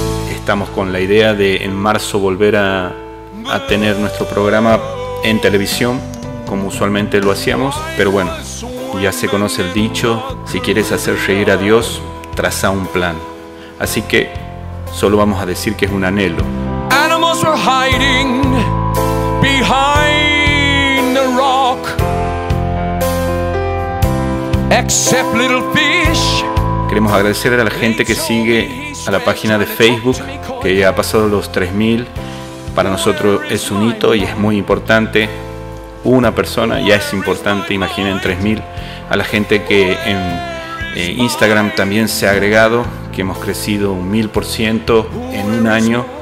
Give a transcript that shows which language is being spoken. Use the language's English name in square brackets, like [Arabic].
[Spanish] Estamos con la idea de en marzo volver a tener nuestro programa en televisión, como usualmente lo hacíamos. Pero bueno, ya se conoce el dicho, si quieres hacer reír a Dios, traza un plan. Así que solo vamos a decir que es un anhelo. [English] Animals are hiding behind the rock. Except little fish. [Spanish] Queremos agradecer a la gente que sigue a la página de Facebook, que ya ha pasado los 3000. Para nosotros es un hito y es muy importante. Una persona ya es importante, imaginen 3000. A la gente que en Instagram también se ha agregado, que hemos crecido 1000% en un año.